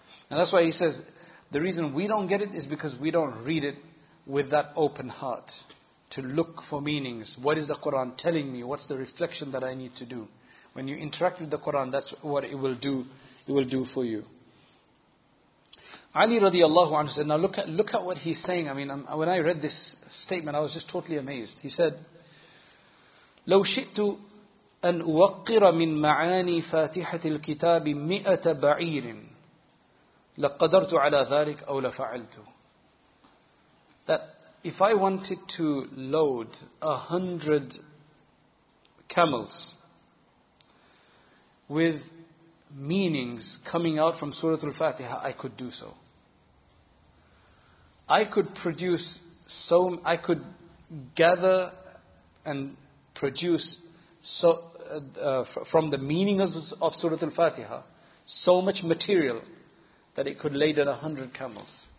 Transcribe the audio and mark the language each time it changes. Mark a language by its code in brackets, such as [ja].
[en] And that's why he says, the reason we don't get it is because we don't read it with that open heart to look for meanings. What is the Quran telling me? What's the reflection that I need to do? When you interact with the Quran, that's what it will do for you. Ali radiallahu anhu said, now look at what he's saying. I mean, when I read this statement, I was just totally amazed. He said, [ar] لو شئت أن أوقر من معاني فاتحة الكتاب مئة بعير لقدرت على ذلك أو لفعلت. [en] That if I wanted to load 100 camels with meanings coming out from Surah Al-Fatiha, I could do so. I could produce so, I could gather and produce so from the meanings of Surah Al-Fatiha so much material that it could lay down 100 camels.